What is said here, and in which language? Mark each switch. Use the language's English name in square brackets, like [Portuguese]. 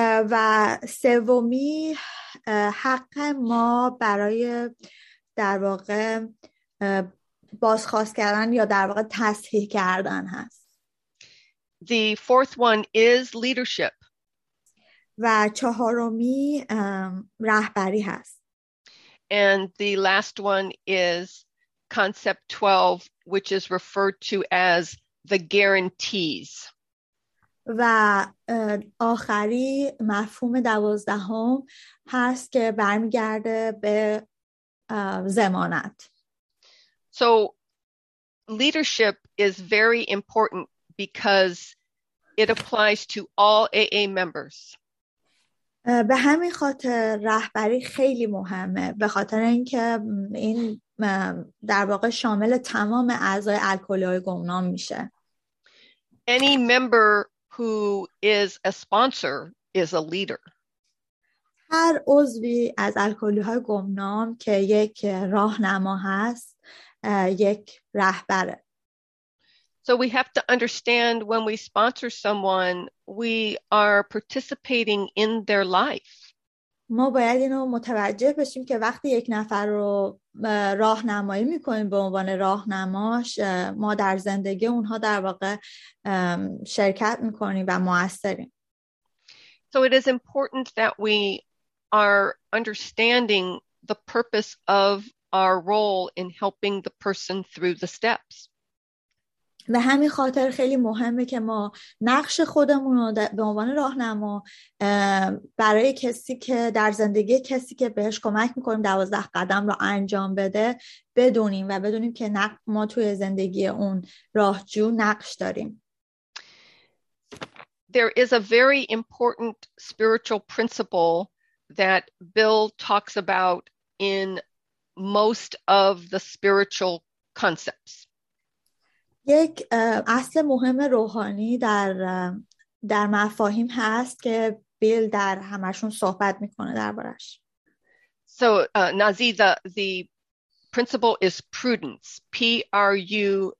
[Persian] و سومی حق ما برای در واقع بازخواست کردن یا در واقع تصحیح کردن هست. [English] The fourth one is leadership. [Persian] و چهارمی رهبری هست. [English] And the last one is concept 12, which is referred to as the guarantees. [Persian] و آخری مفهوم دوازدهم هست که برمیگرده به زمانت. [English] So leadership is very important because it applies to all AA members. [Persian] به همین خاطر رهبری خیلی مهمه به خاطر اینکه این در واقع شامل تمام اعضای الکلی‌های گمنام میشه. [English] Any member who is a sponsor is a leader. [Persian] هر عضوی از الکلی‌های گمنام که یک راهنما هست یک رهبره. [English] So we have to understand when we sponsor someone, we are participating in their life. [Persian] ما باید اینو متوجه بشیم که وقتی یک نفر رو راهنمایی میکنیم به عنوان راهنماش، ما در زندگی اونها در واقع شرکت میکنیم و موثریم. [English] So it is important that we are understanding the purpose of our role in helping the person through the steps. [Persian] به همین خاطر خیلی مهمه که ما نقش خودمون رو به عنوان راهنما برای کسی که در زندگی کسی که بهش کمک میکنیم 12 قدم رو انجام بده بدونیم و بدونیم که ما توی زندگی اون راهجو نقش داریم. [English] There is a very important spiritual principle that Bill talks about in most of the spiritual concepts. [Persian] یک اصل مهم روحانی در مفاهیم هست که بیل در همشون صحبت میکنه دربارش. [English] So Nazi, the principle is prudence. PRUDENCE.